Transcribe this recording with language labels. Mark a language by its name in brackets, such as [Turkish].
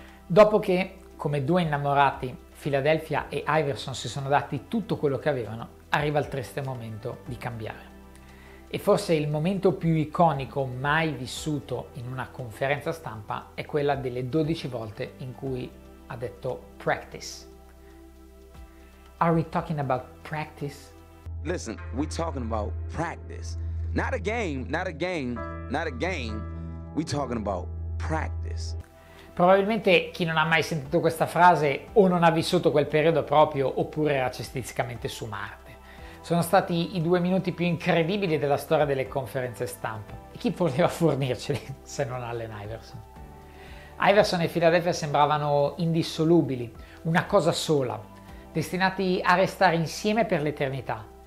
[Italian] Dopo che, come due innamorati, Philadelphia e Iverson si sono dati tutto quello che avevano, arriva il triste momento di cambiare. E forse il momento più iconico mai vissuto in una conferenza stampa è quella delle 12 volte in cui ha detto practice. [English] Are we talking about practice? Listen, we're talking about practice. Not a game, not a game, not a game. We're talking about practice. [Italian] Probabilmente chi non ha mai sentito questa frase o non ha vissuto quel periodo proprio oppure era cestisticamente su Marte. Sono stati i due minuti più incredibili della storia delle conferenze stampa. E chi voleva fornirceli se non Allen Iverson? Iverson e Philadelphia sembravano indissolubili, una cosa sola, destinati a restare insieme per l'eternità.